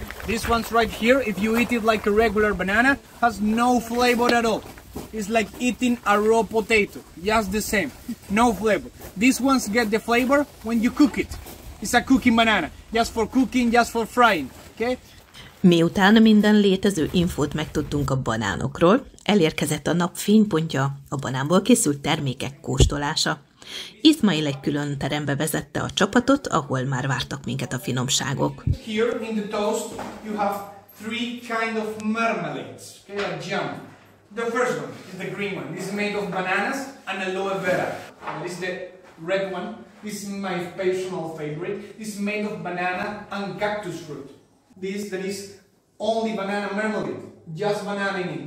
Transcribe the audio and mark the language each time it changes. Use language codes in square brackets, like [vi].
[en] This one's right here, if you eat it like a regular banana, has no flavor at all. It's like eating a raw potato, just the same, no flavor. These ones get the flavor when you cook it. It's a cooking banana, just for cooking, just for frying, okay? [hu] Miután minden létező infót megtudtunk a banánokról, elérkezett a nap fénypontja, a banánból készült termékek kóstolása. Ismail egy külön terembe vezette a csapatot, ahol már vártak minket a finomságok. [en] Here in the toast you have three kind of marmalades, okay, like jam. The first one is the green one. This is made of bananas and aloe vera. And this is the red one. This is my personal favorite. This is made of banana and cactus fruit. This that is only banana marmalade, just banana in it.